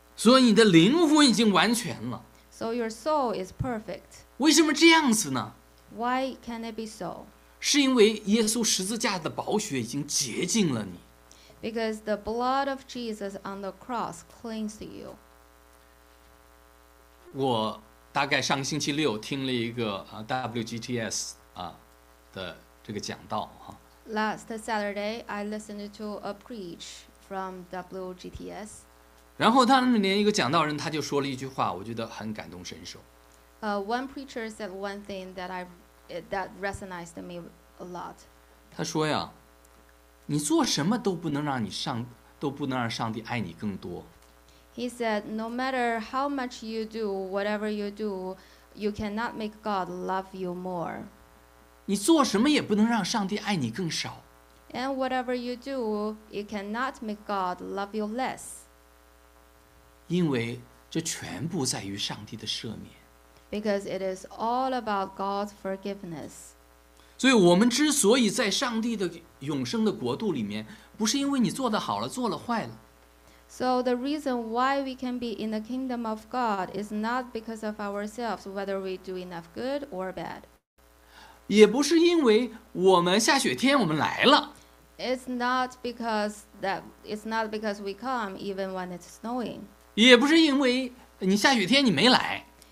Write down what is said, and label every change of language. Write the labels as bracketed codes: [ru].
[zh] 所以你的灵魂已经完全了。 [en] So your soul is perfect. [zh] 为什么这样子呢？ [en] Why can it be so? [zh] 是因为耶稣十字架的宝血已经洁净了你。 [en] Because the blood of Jesus on the cross cleansed you. [zh] 我大概上个星期六听了一个WGTS 的这个讲道。 [en] Last Saturday, I listened to a preach from WGTS. [zh] 然后他那年一个讲道人他就说了一句话，我觉得很感同身受。 [en] One preacher said one thing that resonated me a lot. [zh] 他说呀，你做什么都不能让上帝爱你更多。 [en] He said, no matter how much you do, whatever you do, you cannot make God love you more. [zh] 你做什么也不能让上帝爱你更少。 [en] And whatever you do, you cannot make God love you less. [zh] 因为这全部在于上帝的赦免。 [en] Because it is all about God's forgiveness. [zh] 所以我们之所以在上帝的永生的国度里面，不是因为你做得好了，做了坏了。 [en] So the reason why we can be in the kingdom of God is not because of ourselves, whether we do enough good or bad. [zh] 也不是因为我们下雪天我们来了。 [en] It's not because we come even when it's snowing. [zh] 也不是因为你下雪天你没来。